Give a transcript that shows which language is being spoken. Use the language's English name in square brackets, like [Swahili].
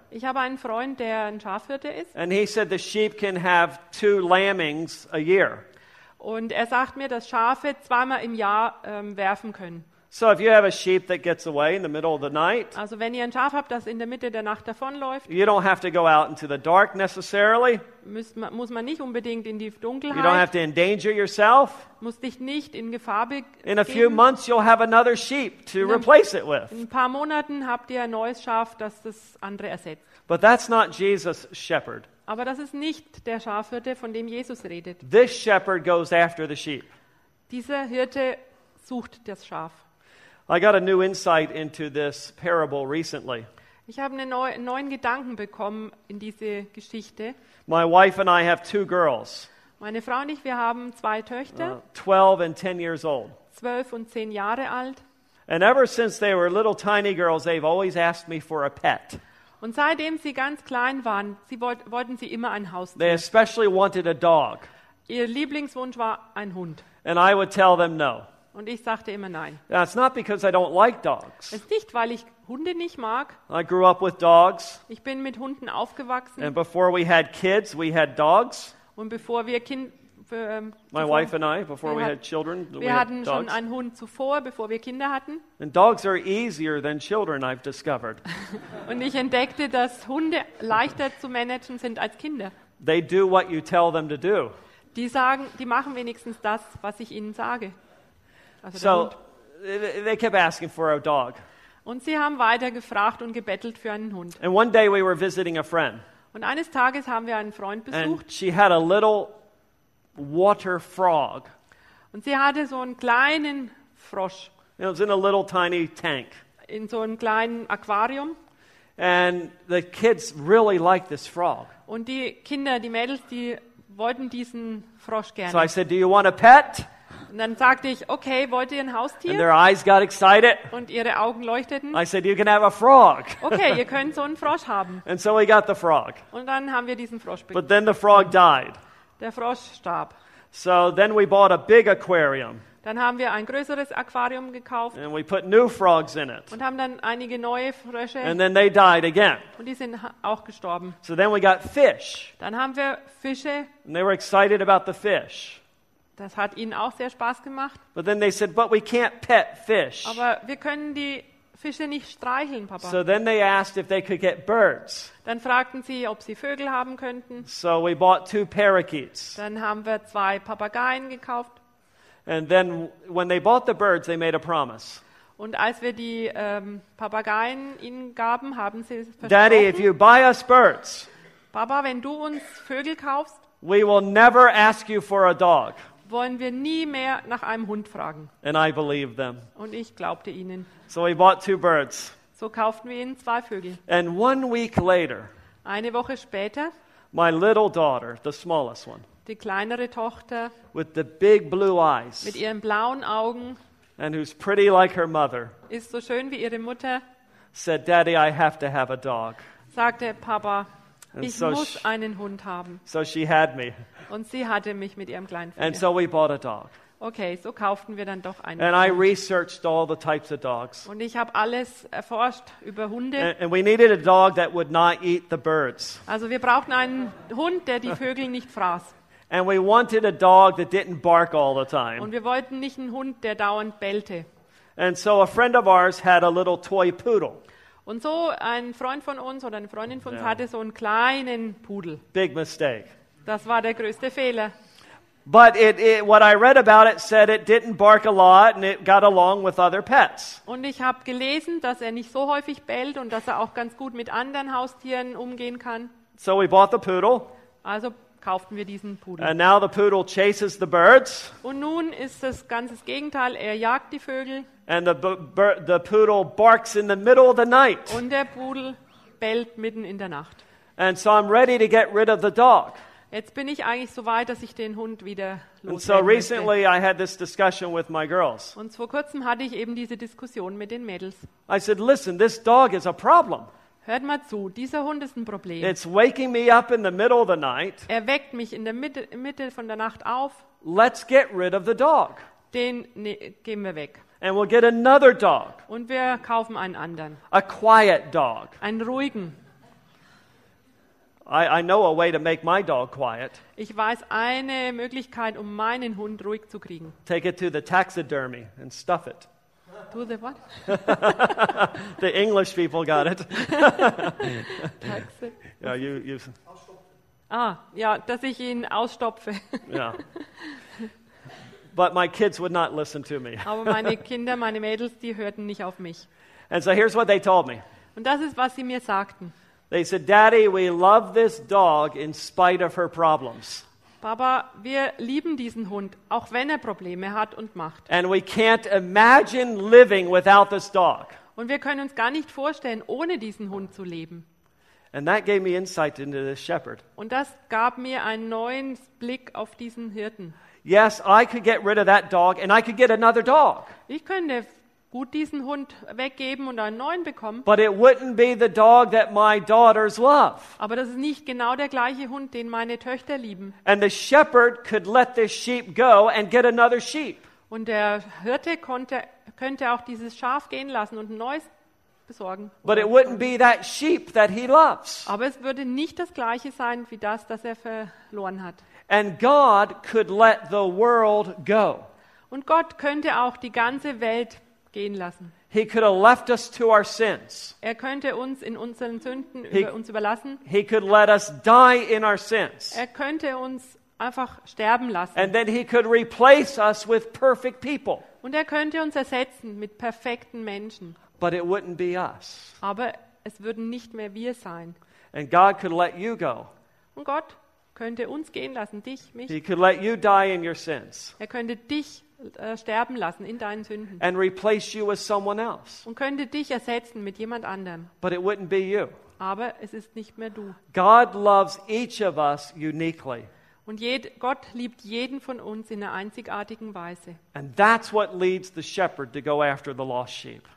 [German] Ich habe einen Freund, der ein Schafhirte ist. [English] And he said the sheep can have two lambings a year. [German] Und er sagt mir, dass Schafe zweimal im Jahr werfen können. [English] So if you have a sheep that gets away in the middle of the night. [German] Also wenn ihr ein Schaf habt, das in der Mitte der Nacht davonläuft. [English] You don't have to go out into the dark necessarily. [German] Muss man nicht unbedingt in die Dunkelheit. [English] You don't have to endanger yourself. [German] Musst dich nicht in Gefahr begeben. [English] In a few months you'll have another sheep to replace it with. [German] In ein paar Monaten habt ihr ein neues Schaf, das das andere ersetzt. [English] But that's not Jesus' shepherd. [German] Aber das ist nicht der Schafhirte, von dem Jesus redet. [English] This shepherd goes after the sheep. [German] Dieser Hirte sucht das Schaf. [English] I got a new insight into this parable recently. [German] Ich habe einen neuen Gedanken bekommen in diese Geschichte. [English] My wife and I have two girls. [German] Meine Frau und ich, wir haben zwei Töchter. [English] 12 and 10 years old. [German] 12 und 10 Jahre alt. [English] And ever since they were little tiny girls, they've always asked me for a pet. [German] Und seitdem sie ganz klein waren, wollten sie immer ein Haustier. [English] They especially wanted a dog. [German] Ihr Lieblingswunsch war ein Hund. [English] And I would tell them no. [German] Und ich sagte immer nein. [English] That's not because I don't like dogs. [German] Es ist nicht, weil ich Hunde nicht mag. [English] I grew up with dogs. [German] Ich bin mit Hunden aufgewachsen. [English] And before we had kids, we had dogs. [German] Und bevor wir Kinder [English] My wife and I, before we had children, [German] wir hatten schon einen Hund zuvor, bevor wir Kinder hatten. [English] And dogs are easier than children, I've discovered. [German] Und ich entdeckte, dass Hunde leichter zu managen sind als Kinder. [English] They do what you tell them to do. [German] Die machen wenigstens das, was ich ihnen sage. [English] So they kept asking for a dog. [German] Und sie haben weiter gefragt und gebettelt für einen Hund. [English] And one day we were visiting a friend. [German] Und eines Tages haben wir einen Freund besucht. [English] And she had a little water frog. [German] Und sie hatte so einen kleinen Frosch. [English] It was in a little tiny tank. [German] In so einem kleinen Aquarium. [English] And the kids really liked this frog. [German] Und die Kinder, die Mädels, die wollten diesen Frosch gerne. [English] So I said, "Do you want a pet?" [German] Und dann sagte ich, okay, wollt ihr ein Haustier? [English] And their eyes got excited. [German] Und ihre Augen leuchteten. [English] I said, you can have a frog. [German] Okay, ihr könnt so einen Frosch haben. [English] And so we got the frog. [German] Und dann haben wir diesen Frosch bekommen. [English] But then the frog died. [German] Der Frosch starb. [English] So then we bought a big aquarium. [German] Dann haben wir ein größeres Aquarium gekauft. [English] And we put new frogs in it. [German] Und haben dann einige neue Frösche. [English] And then they died again. [German] Und die sind auch gestorben. [English] So then we got fish. [German] Dann haben wir Fische. [English] And they were excited about the fish. [German] Das hat ihnen auch sehr Spaß gemacht. [English] But then they said, but we can't pet fish. [German] Aber wir können die Fische nicht streicheln, Papa. [English] So then they asked if they could get birds. [German] Dann fragten sie, ob sie Vögel haben könnten. [English] So we bought two parakeets. [German] Dann haben wir zwei Papageien gekauft. [English] And then when they bought the birds, they made a promise. [German] Und als wir die Papageien ihnen gaben, haben sie versprochen. [English] Daddy, if you buy us birds, [German] Papa, wenn du uns Vögel kaufst, [English] we will never ask you for a dog. [German] Wollen wir nie mehr nach einem Hund fragen. [English] And I believed them. [German] Und ich glaubte ihnen. [English] So we bought two birds. [German] So kauften wir ihnen zwei Vögel. [English] And 1 week later, [German] eine Woche später, [English] my little daughter, the smallest one, [German] die kleinere Tochter, [English] with the big blue eyes, [German] mit ihren blauen Augen, [English] and who's pretty like her mother, [German] ist so schön wie ihre Mutter, [English] said, Daddy, I have to have a dog. [German] Sagte, Papa, and ich so muss einen Hund haben. [English] So she had me. [German] Und sie hatte mich mit ihrem kleinen Vogel. [English] And so we bought a dog. [German] Okay, so kauften wir dann doch einen [English] and [German] Hund. [English] I researched all the types of dogs. [German] Und ich habe alles erforscht über Hunde. [English] And we needed a dog that would not eat the birds. [German] Also wir brauchten einen Hund, der die Vögel nicht fraß. [English] And we wanted a dog that didn't bark all the time. [German] Und wir wollten nicht einen Hund, der dauernd bellte. [English] And so a friend of ours had a little toy poodle. [German] Und so ein Freund von uns oder eine Freundin von uns hatte so einen kleinen Pudel. [English] Big mistake. [German] Das war der größte Fehler. [English] But it what I read about it said it didn't bark a lot and it got along with other pets. [German] Und ich habe gelesen, dass er nicht so häufig bellt und dass er auch ganz gut mit anderen Haustieren umgehen kann. [English] So we bought the poodle. [German] Also kauften wir diesen Pudel. [English] And now the poodle chases the birds. [German] Und nun ist das ganze Gegenteil, er jagt die Vögel. [English] And the poodle barks in the middle of the night. [German] Und der Pudel bellt mitten in der Nacht. [English] And so I'm ready to get rid of the dog. [German] Jetzt bin ich eigentlich so weit, dass ich den Hund wieder loswerden möchte. [English] So recently I had this discussion with my girls. [German] Und vor kurzem hatte ich eben diese Diskussion mit den Mädels. [English] I said, listen, this dog is a problem. [German] Hört mal zu, dieser Hund ist ein Problem. [English] It's waking me up in the middle of the night. [German] Er weckt mich in der Mitte von der Nacht auf. [English] Let's get rid of the dog. [German] Geben wir weg. [English] And we'll get another dog. [German] Und wir kaufen einen anderen. [English] A quiet dog. [German] Einen ruhigen. [English] I know a way to make my dog quiet. [German] Ich weiß eine Möglichkeit, um meinen Hund ruhig zu kriegen. [English] Take it to the taxidermy and stuff it. To the what? The English people got it. Taxi. Yeah, you. [German] Ah, ja, dass ich ihn ausstopfe. [English] Yeah. But my kids would not listen to me. [German] Aber meine Kinder, meine Mädels, die hörten nicht auf mich. [English] And so here's what they told me. [German] Und das ist, was sie mir sagten. [English] They said, Daddy, we love this dog in spite of her problems. [German] Papa, wir lieben diesen Hund, auch wenn er Probleme hat und macht. [English] And we can't imagine living without this dog. [German] Und wir können uns gar nicht vorstellen, ohne diesen Hund zu leben. [English] And that gave me insight into this shepherd. [German] Und das gab mir einen neuen Blick auf diesen Hirten. [English] Yes, I could get rid of that dog and I could get another dog. [German] Ich könnte gut diesen Hund weggeben und einen neuen bekommen. [English] But it wouldn't be the dog that my daughters love. [German] Aber das ist nicht genau der gleiche Hund, den meine Töchter lieben. [English] And the shepherd could let this sheep go and get another sheep. [German] Und der Hirte könnte auch dieses Schaf gehen lassen und ein neues besorgen. [English] But it wouldn't be that sheep that he loves. [German] Aber es würde nicht das gleiche sein wie das, das er verloren hat. [English] And God could let the world go. [German] Und Gott könnte auch die ganze Welt gehen lassen. [English] He could have left us to our sins. [German] Er könnte uns in unseren Sünden uns überlassen. [English] He could let us die in our sins. [German] Er könnte uns einfach sterben lassen. [English] And then he could replace us with perfect people. [German] Und er könnte uns ersetzen mit perfekten Menschen. [English] But it wouldn't be us. [German] Aber es würden nicht mehr wir sein. [English] And God could let you go. [German] Und Gott könnte uns gehen lassen, dich, mich. [English] He could let you die in your sins. [German] Er könnte dich sterben lassen in deinen Sünden. [English] And replace you with someone else. [German] Und könnte dich ersetzen mit jemand anderem. [English] But it wouldn't be you. [German] Aber es ist nicht mehr du. [English] God loves each of us uniquely. [German] Und Gott liebt jeden von uns in einer einzigartigen Weise. [English] And that's what leads the shepherd to go after the lost sheep.